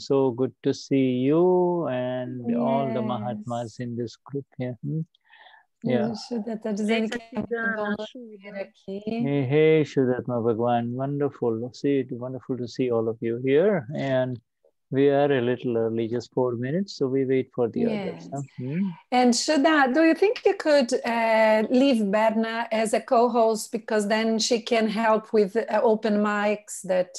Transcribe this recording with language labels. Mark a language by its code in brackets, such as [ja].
[en] So good to see you and all the Mahatmas Yes. in this group here. [pt] Suda está dizendo que é muito bom ver aqui. [en] Hey, Sudatma Bhagwan, wonderful. See it, wonderful to see all of you here. And we are a little early, just 4 minutes, so we wait for the others. Yes. And Shuddha, do you think you could leave Berna as a co-host because then she can help with open mics that